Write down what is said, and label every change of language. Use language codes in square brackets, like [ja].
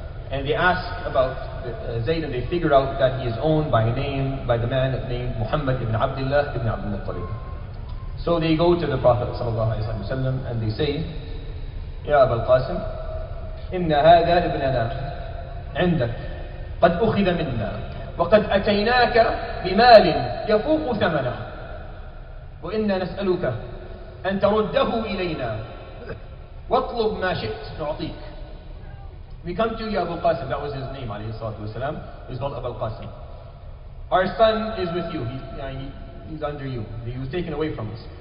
[en] And they ask about Zaid, and they figure out that he is owned by the man named Muhammad ibn Abdullah ibn Abdul Muttalib. So they go to the Prophet and they say, [ar] Ya Abu al-Qasim, Inna hadha ibnana indak. قد أخذ منا وقد أتيناك بمال يفوق ثمنه وإنا نسألك أن ترده إلينا واطلب ما شئت نعطيك. [en] We come to you, Abu Qasim. That was his name, [ar] عليه الصلاة والسلام. [en] He's called Abu Qasim. Our son is with you. He's under you. He was taken away from us.